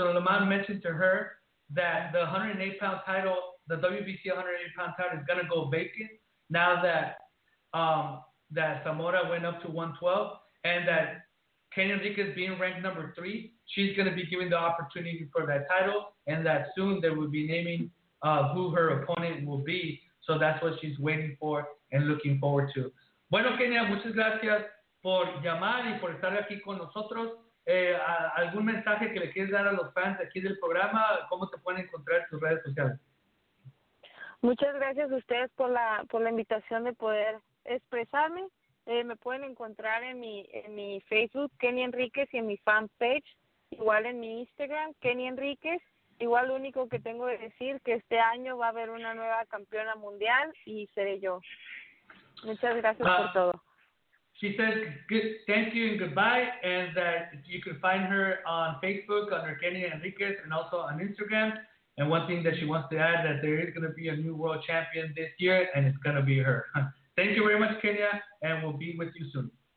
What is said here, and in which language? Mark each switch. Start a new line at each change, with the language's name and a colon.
English: Suleiman mentioned to her that the 108-pound title, the WBC 108-pound title, is going to go vacant now that that Zamora went up to 112, and that Kenny Enriquez being ranked number 3, she's going to be given the opportunity for that title, and that soon they will be naming who her opponent will be. So that's what she's waiting for and looking forward to.
Spanish: Bueno, Kenya, muchas gracias por llamar y por estar aquí con nosotros. ¿Algún mensaje que le quieres dar a los fans aquí del programa? ¿Cómo te pueden encontrar en tus redes sociales? Muchas gracias a ustedes por la invitación de poder expresarme. Me pueden encontrar en mi Facebook, Kenny Enriquez, y en mi fanpage. Igual en mi Instagram, Kenny Enriquez. Igual lo único que tengo que decir que este año va a haber una nueva campeona mundial y seré yo. Muchas gracias por todo.
English: She says good, thank you and goodbye, and that you can find her on Facebook under Kenny Enriquez and also on Instagram. And one thing that she wants to add, that there is going to be a new world champion this year, and it's going to be her. Thank you very much, Kenya, and we'll be with you soon.